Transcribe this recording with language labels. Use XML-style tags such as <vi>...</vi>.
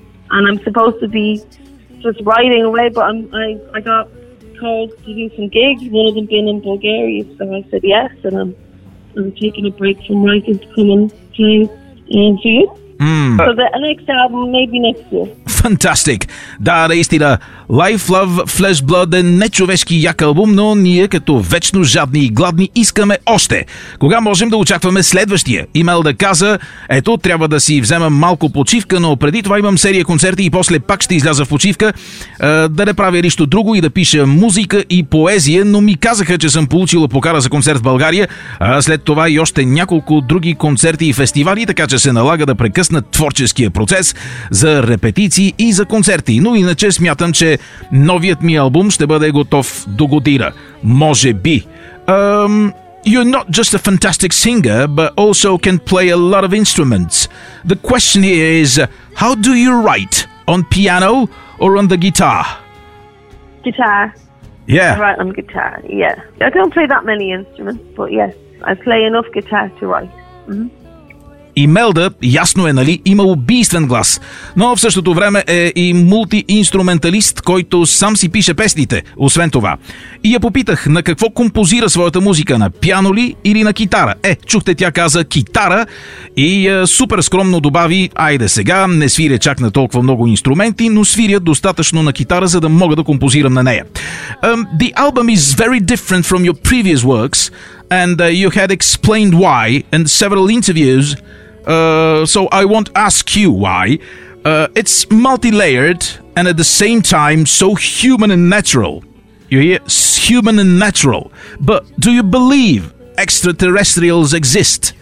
<en>And I'm supposed to be just writing away, but I got called to do some gigs, one of them being in Bulgaria. So I said yes, and I'm taking a break from writing to come and play for you. So the next album, maybe next year. Fantastic.</en> <bg>Да, наистина. Life, Love, Flesh, Blood е нечовешки як албум, но ние като вечно жадни и гладни искаме още. Кога можем да очакваме следващия? Имелда каза, ето, трябва да си взема малко почивка, но преди това имам серия концерти и после пак ще изляза в почивка, да не правя нищо друго и да пиша музика и поезия, но ми казаха, че съм получила покана за концерт в България, а след това и още няколко други концерти и фестивали, така че се налага да прекъсна творческия процес за репетиции и за концерти, но иначе смятам, че новият ми албум ще бъде готов до година. Може би.</bg> <en>You're not just a fantastic singer, but also can play a lot of instruments. The question here is, how do you write? On piano or on the guitar? Guitar. Yeah. I write on guitar, yeah. I don't play that many instruments, but yes, I play enough guitar to write.</en> <bg>Имелда, ясно е, нали, има убийствен глас, но в същото време е и мултиинструменталист, който сам си пише песните, освен това. И я попитах, на какво композира своята музика, на пиано ли или на китара? Е, чухте, тя каза китара и супер скромно добави, айде сега, не свиря чак на толкова много инструменти, но свиря достатъчно на китара, за да мога да композирам на нея.</bg> <en>The album is very different from your previous works, and you had explained why in several interviews. So I won't ask you why. It's multi-layered and at the same time so human and natural. You hear? Human and natural. But do you believe extraterrestrials exist?</en>